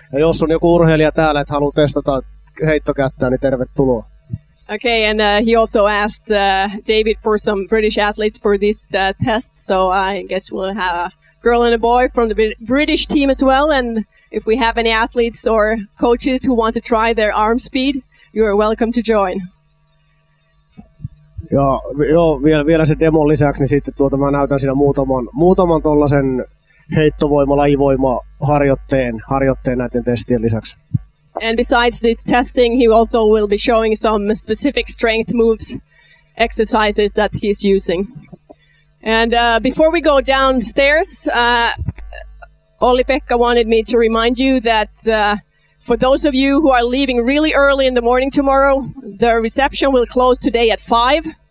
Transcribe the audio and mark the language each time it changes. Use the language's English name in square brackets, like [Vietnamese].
[Finnish] Ja jos on joku urheilija täällä, että haluaa testata heittokättä, niin tervetuloa. [English] Okay, and he also asked David for some British athletes for this test, so I guess we'll have girl and a boy from the British team as well, and if we have any athletes or coaches who want to try their arm speed, you are welcome to join. [Finnish] Joo, vielä se demon lisäksi, niin sitten mä näytän siinä muutaman tollasen heittovoima, lajivoima harjoitteen näiden testien lisäksi. [English] And besides this testing, he also will be showing some specific strength moves exercises that he's using. And before we go downstairs, Olli-Pekka wanted me to remind you that for those of you who are leaving really early in the morning tomorrow, the reception will close today at 5.